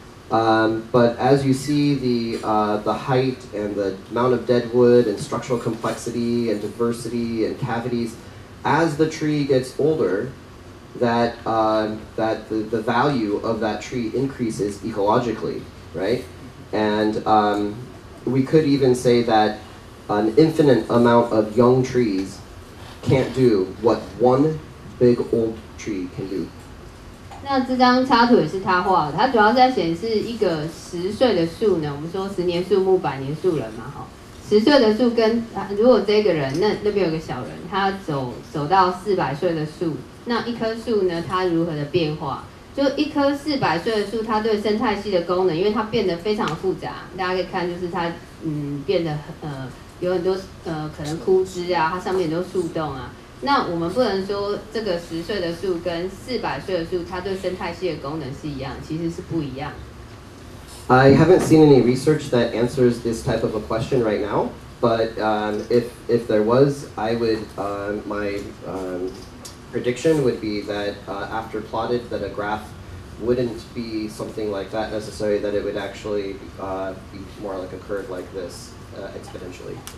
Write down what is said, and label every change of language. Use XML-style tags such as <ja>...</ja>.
<en>But as you see the height and the amount of dead wood and structural complexity and diversity and cavities, as the tree gets older, that the value of that tree increases ecologically, right? And we could even say that an infinite amount of young trees can't do what one big old tree can do.</en> <zh>那这张插图也是他画的，他主要在显示一个十岁的树呢。我们说十年树木，百年树人嘛，哈。十岁的树跟如果这个人那边有个小人，他走到四百岁的树，那一棵树呢，它如何的变化？就一棵四百岁的树，它对生态系的功能，因为它变得非常复杂。大家可以看，就是它变得有很多可能枯枝啊，它上面很多树洞啊。那我们不能说这个十岁的树跟四百岁的树，它对生态系的功能是一样，其实是不一样。</zh> <en>I haven't seen any research that answers this type of a question right now, but if there was, I would prediction would be that after plotted, that a graph wouldn't be something like that necessarily, that it would actually be more like a curve like this exponentially.</en>